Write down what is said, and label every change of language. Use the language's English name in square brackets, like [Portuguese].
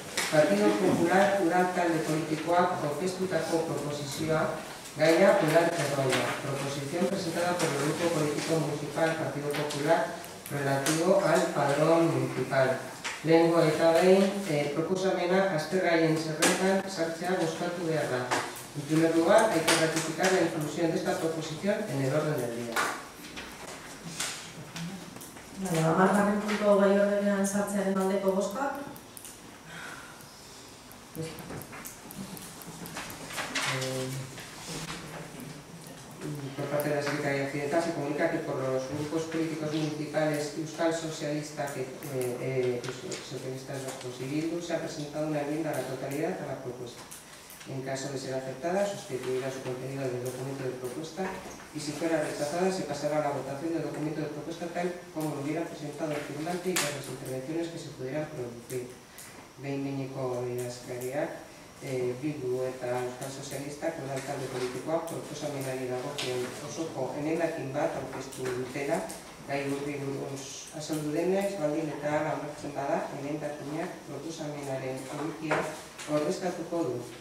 [Basque] Partido Popular Udal Talde Politikoak aurkeztutako proposizioa gaia udal zerroia. [Spanish] Proposición presentada por el Grupo Político Municipal Partido Popular relativo al padrón municipal. [Basque] Lehengo eta behin, proposamena aztergaien zerrentan sartzea bozkatu behar da. [Spanish] En primer lugar, hay que ratificar la inclusión de esta proposición en el orden del día. [Basque] Vale, amargarren punto gai ordenean sartzearen aldeko bozka. [Spanish] Por parte de la Secretaría de Hacienda se comunica que por los grupos políticos municipales Euskal Socialista, que Socialista es Vasco Civil, se ha presentado una enmienda a la totalidad a la propuesta. En caso de ser aceptada, sustituirá su contenido del documento de propuesta y si fuera rechazada, se pasará a la votación del documento de propuesta tal como lo hubiera presentado el firmante y con las intervenciones que se pudieran producir. [Basque] Behin-behineko idazkariak, Bildu eta Euskal Sozialistak udal talde politikoak proposamenari dagokion osoko emendakin bat aurkeztu dutela, gai horri buruz azaldu denez, baldin eta hala onartzen bada, emendakinak proposamenaren edukia ordezkatuko du.